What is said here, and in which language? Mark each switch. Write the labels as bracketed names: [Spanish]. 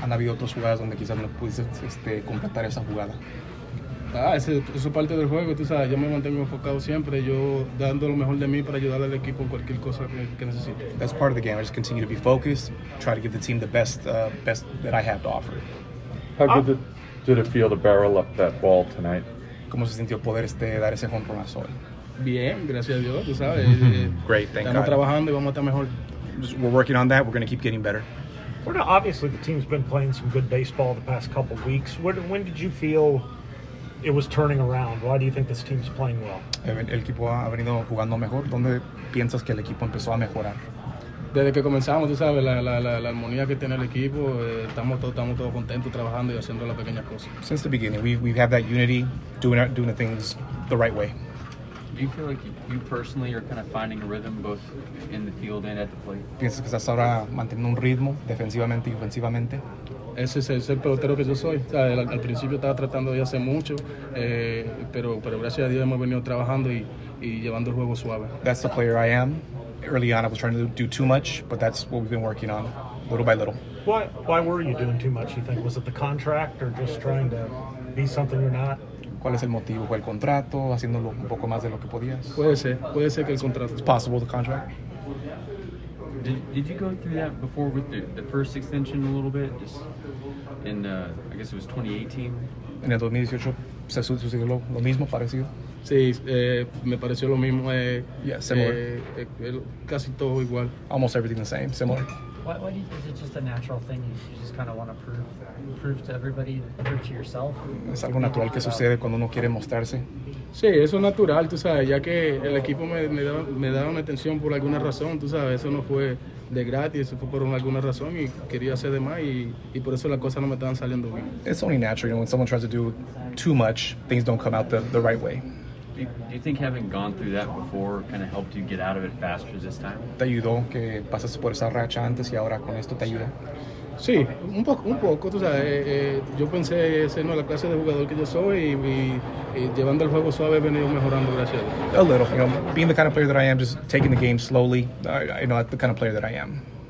[Spanish] Han habido otras jugadas donde quizás no pudiste completar esa jugada. Ah, eso es parte del juego, tú sabes. Yo me mantengo enfocado siempre, yo dando lo mejor de mí para ayudar al equipo en cualquier cosa que necesite. [English] That's part of the game. I just continue to be focused, try to give the team the best that I have to offer. How did it feel to barrel up that ball tonight? [Spanish] ¿Cómo se sintió poder dar ese home run hoy? Bien, gracias a Dios, tú sabes. [English] Great, thank God. [Spanish] Estamos trabajando y vamos a estar mejor. [English] We're working on that. We're going to keep getting better. Well, obviously, the team's been playing some good baseball the past couple of weeks. When did you feel it was turning around? Why do you think this team's playing well? [Spanish] El equipo ha venido jugando mejor. ¿Dónde piensas que el equipo empezó a mejorar? Desde que comenzamos, tú sabes, la armonía que tiene el equipo. Estamos todos contentos trabajando y haciendo las pequeñas cosas. [English] Since the beginning, we've had that unity, doing the things the right way. Do you feel like you personally are kind of finding a rhythm both in the field and at the plate? [Spanish] ¿Piensas que estás ahora manteniendo un ritmo defensivamente y ofensivamente? Ese es el pelotero que yo soy. O sea, al principio estaba tratando de hacer mucho, pero gracias a Dios hemos venido trabajando y llevando el juego suave. [English] That's the player I am. Early on I was trying to do too much, but that's what we've been working on, little by little. Why were you doing too much, you think? Was it the contract or just trying to be something you're not? [Spanish] ¿Cuál es el motivo? ¿Fue el contrato? ¿Haciéndolo un poco más de lo que podías? Puede ser que el contrato. [English] It's possible, the contract. Did you go through that before with the first extension a little bit? Just in, I guess it was 2018. [Spanish] En el 2018, ¿se sucedió lo mismo, parecido? Sí, me pareció lo mismo. [English] Yeah, similar. [Spanish] Casi todo igual. [English] Almost everything the same, similar. Is it just a natural thing? You just kind of want to prove to everybody, prove to yourself. [Spanish] Es algo natural que sucede cuando uno quiere mostrarse. Sí, eso es natural, tú sabes, ya que el equipo me daba una atención por alguna razón, tú sabes, eso no fue de gratis, eso fue por alguna razón y quería hacer de más y por eso las cosas no me estaban saliendo bien. [English] It's only natural, you know, when someone tries to do too much, things don't come out the right way. Do you think having gone through that before kind of helped you get out of it faster this time? [Spanish] ¿Te ayudó que pasaste por esa racha antes y ahora con esto te ayuda? Sí, un poco, tú sabes, yo pensé ser la clase de jugador que yo soy y llevando el juego suave he venido mejorando, gracias. [English] A little, you know, being the kind of player that I am, just taking the game slowly, you know, the kind of player that I am.